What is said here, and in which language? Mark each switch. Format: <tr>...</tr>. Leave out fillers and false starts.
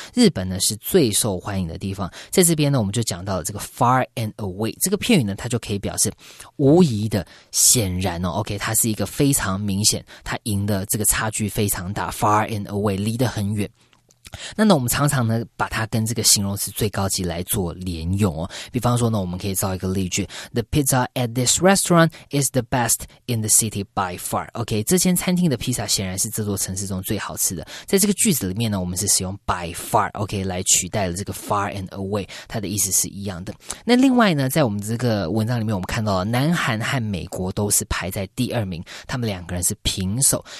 <zh>日本呢是最受欢迎的地方。在这边呢，我们就讲到了这个</zh> <en>far and away</en> <zh>这个片语呢，它就可以表示无疑的、显然哦。 OK， 它是一个非常明显，它赢的这个差距非常大。</zh> <en>Far and away,</en> <zh>离得很远。那呢我们常常呢把它跟这个形容词最高级来做连用哦。比方说呢我们可以造一个例句。</zh> <en>The pizza at this restaurant is the best in the city by far.</en> <zh>OK, 这间餐厅的披萨显然是这座城市中最好吃的。在这个句子里面呢我们是使用</zh> <en>by far,</en> <zh>OK, 来取代了这个</zh> <en>far and away,</en> <zh>它的意思是一样的。那另外呢在我们这个文章里面我们看到了南韩和美国都是排在第二名，他们两个人是平手。</zh>